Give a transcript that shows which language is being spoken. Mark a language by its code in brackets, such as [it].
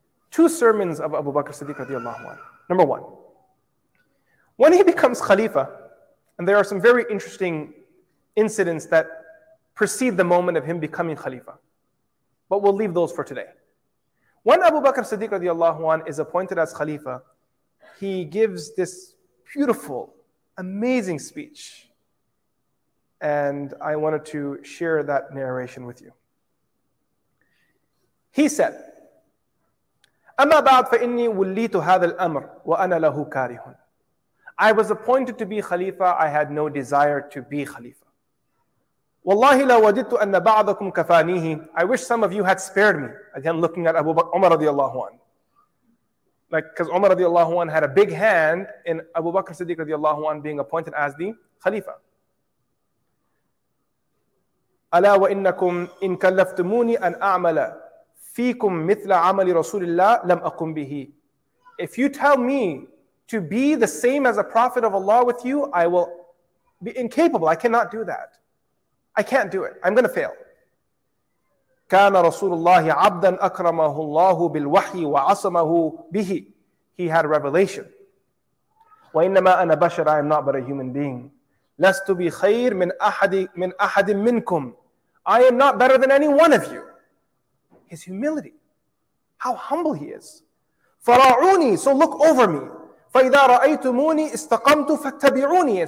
[en] Two sermons of Abu Bakr Siddiq radiallahu anhu. Number one, when he becomes Khalifa, and there are some very interesting incidents that precede the moment of him becoming Khalifa, but we'll leave those for today. When Abu Bakr Siddiq radiallahu anhu is appointed as Khalifa, he gives this beautiful, amazing speech. And I wanted to share that narration with you. He said, [ar] أما بعد فإني وليت هذا الأمر وأنا له كاره. [en] I was appointed to be Khalifa. I had no desire to be Khalifa. [ar] والله لو وجدت أن بعضكم كفانيه. [en] I wish some of you had spared me. Again, looking at Abu Bakr, Umar radiallahu anhu. Like, because Umar radiallahu anhu had a big hand in Abu Bakr Siddiq radiallahu anhu being appointed as the Khalifa. [ar] ألا وإنكم إن كلفتموني أن أعمل فيكم مثل عمل رسول الله لم أقم به. [en] If you tell me to be the same as a prophet of Allah with you, I will be incapable. I cannot do that. I can't do it. I'm going to fail. [ar] كان رسول الله عبدا أكرمه الله بالوحي وعصمه به. [en] He had revelation. [ar] وإنما أنا بشر. [en] I am not but a human being. [ar] لست بخير من أحد منكم. [en] I am not better than any one of you. His humility. How humble he is. [ar] فَرَاعُونِي. [en] So look over me. [ar] فَإِذَا رَأَيْتُمُونِي إِسْتَقَمْتُ فَاتَّبِعُونِي.